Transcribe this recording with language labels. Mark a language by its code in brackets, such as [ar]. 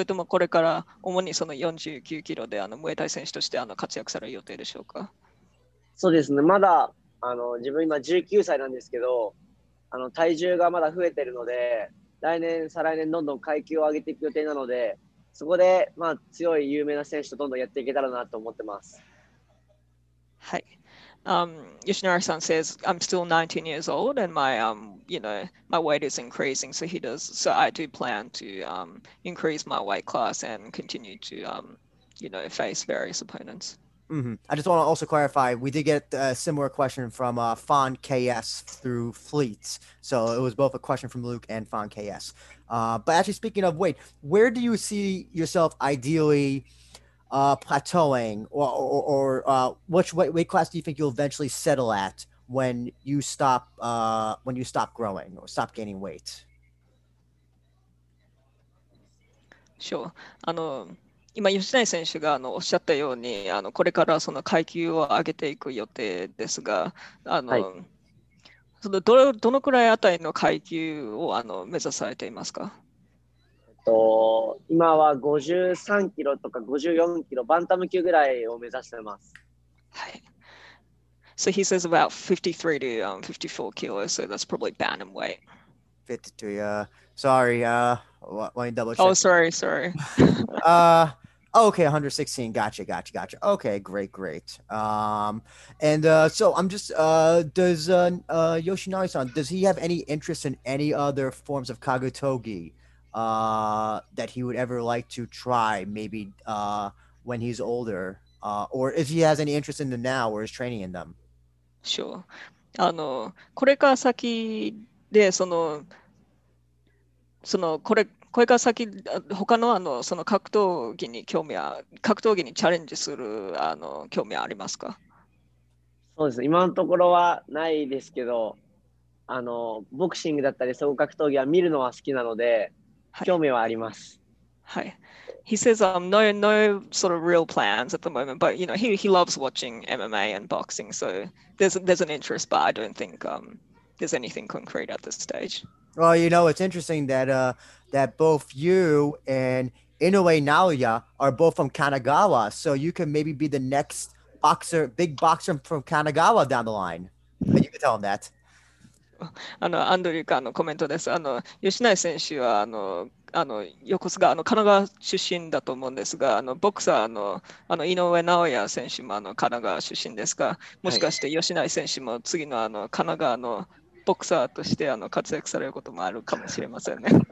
[ja] それともこれから主にその49キロであのムエタイ選手としてあの活躍される予定でしょうか？そうですね、まだあの自分今19歳なんですけど、あの体重がまだ増えているので、来年再来年どんどん階級を上げていく予定なので、そこで、まあ、強い有名な選手とどんどんやっていけたらなと思ってます。はい。 [en] Yoshinari-san says, I'm still 19 years old and my, you know, my weight is increasing. So I do plan to increase my weight class and continue to, you know, face various opponents. Mm-hmm. I just want to also clarify, we did get a similar question from Fon KS through Fleets. So it was both a question from Luke and Fon KS. But actually, speaking of weight, where do you see yourself ideally plateauing, or which weight class do you think you'll eventually settle at when you stop growing or stop gaining weight? Sure. あの [ja] 今吉成選手があのおっしゃったように、あのこれからその階級を上げていく予定ですが、あの、はい、その どのくらいあたりの階級をあの目指されていますか？今は53キロとか54キロバンタム級ぐらいを目指しています。はい。 [en] So he says about 53 to 54 kilos, so that's probably bantamweight. 52, yeah. Sorry, let me double check. Oh, sorry, sorry. okay, 116, gotcha. Okay, great. So I'm just, does Yoshinari-san, does he have any interest in any other forms of kagutogi that he would ever like to try, maybe when he's older? Or if he has any interest in them now, or is training in them? Sure. [ja] あのこれから先でそのそのこれこれから先他のあのその格闘技に興味は格闘技にチャレンジするあの興味はありますか？そうです。今のところはないですけど、あのボクシングだったり総合格闘技は見るのは好きなので、はい、興味はあります。はい。 [en] He says no sort of real plans at the moment, but you know he loves watching MMA and boxing, so there's an interest, but I don't think there's anything concrete at this stage. Well, you know, it's interesting that that both you and Inoue Naoya are both from Kanagawa, so you can maybe be the next boxer, big boxer from Kanagawa down the line. You can tell him that. [ja] あのアンドリューカーのコメントです。あの吉成選手はあの横須賀あの神奈川出身だと思うんですが、あのボクサーのあの井上尚弥選手もあの神奈川出身ですが、もしかして吉成選手も次のあの神奈川のボクサーとしてあの活躍されることもあるかもしれませんね。